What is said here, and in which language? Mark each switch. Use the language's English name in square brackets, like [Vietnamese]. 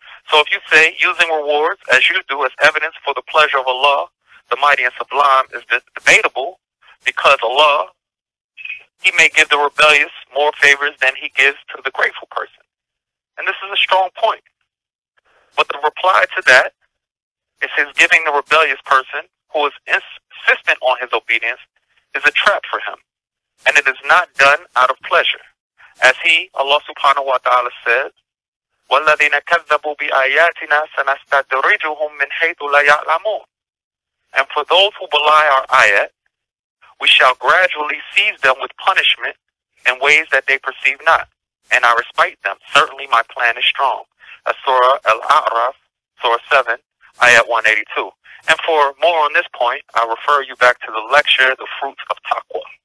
[English] So if you say using rewards as you do as evidence for the pleasure of Allah, the mighty and sublime, is debatable, because Allah, he may give the rebellious more favors than he gives to the grateful person. And this is a strong point. But the reply to that is his giving the rebellious person, who is insistent on his obedience, is a trap for him. And it is not done out of pleasure. As he, Allah subhanahu wa ta'ala, says, [Arabic] وَالَّذِينَ كَذَّبُوا بِآيَاتِنَا سَنَسْتَدْرِجُهُمْ مِنْ حَيْثُ لَا يَعْلَمُونَ. [English] And for those who belie our ayat, we shall gradually seize them with punishment in ways that they perceive not. And I respite them. Certainly my plan is strong. Surah Al-A'raf, Surah 7, Ayat 182. And for more on this point, I refer you back to the lecture, The Fruits of Taqwa.